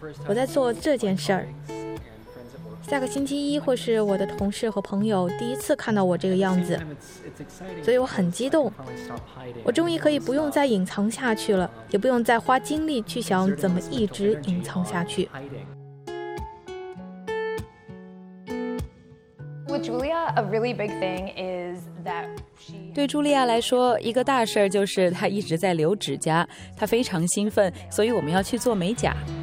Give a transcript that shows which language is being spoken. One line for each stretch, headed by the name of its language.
Chinese: 我在做这件事儿。下个星期一会是我的同事和朋友第一次看到我这个样子，所以我很激动。我终于可以不用再隐藏下去了，也不用再花精力去想怎么一直隐藏下去。
English: With Julia, a really big thing is that she.
Chinese: 对茱莉亚来说，一个大事就是她一直在留指甲，她非常兴奋，所以我们要去做美甲。